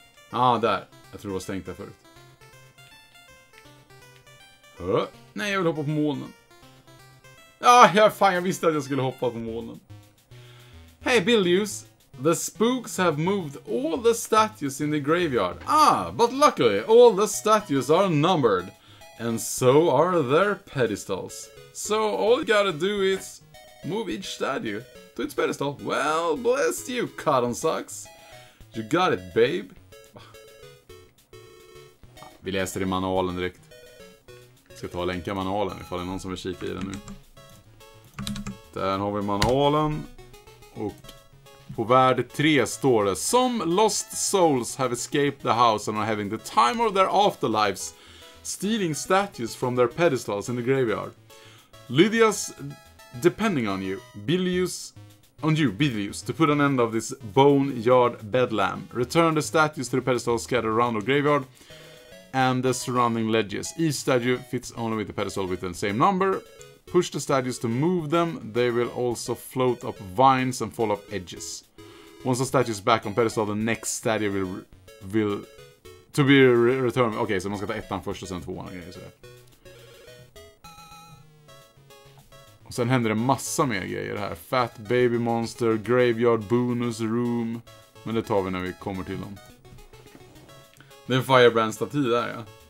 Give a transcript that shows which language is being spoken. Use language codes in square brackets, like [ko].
[sv] Ah, där. Jag tror det var stängt där förut. Nej, jag vill hoppa på molnen. Jag visste att jag skulle hoppa på molnen. [en] Hey, Bilius. The spooks have moved all the statues in the graveyard. Ah, but luckily, all the statues are numbered. And so are their pedestals. So all you gotta do is move each statue to its pedestal. Well, bless you, cotton socks. You got it, babe. [sv] Vi läser i manualen direkt. Ska ta och länka manualen ifall det är någon som vill kika i den nu. Där har vi manualen. Och på värld 3 står det: [en] Some lost souls have escaped the house and are having the time of their afterlives stealing statues from their pedestals in the graveyard. Lydia's depending on you, Bilius, on you, Bilius, to put an end of this bone yard bedlam. Return the statues to the pedestals scattered around the graveyard. And the surrounding ledges. Each statue fits only with the pedestal with the same number. Push the statues to move them. They will also float up vines and fall off edges. Once the statue is back on pedestal, the next statue will to be returned. [sv] Okej, så man ska ta ettan först och sen tvåan och grejer sådär. Och sen händer det massa mer grejer här. [en] Fat baby monster, graveyard bonus room. [sv] Men det tar vi när vi kommer till dem. Det är en Firebrand-staty där, ja.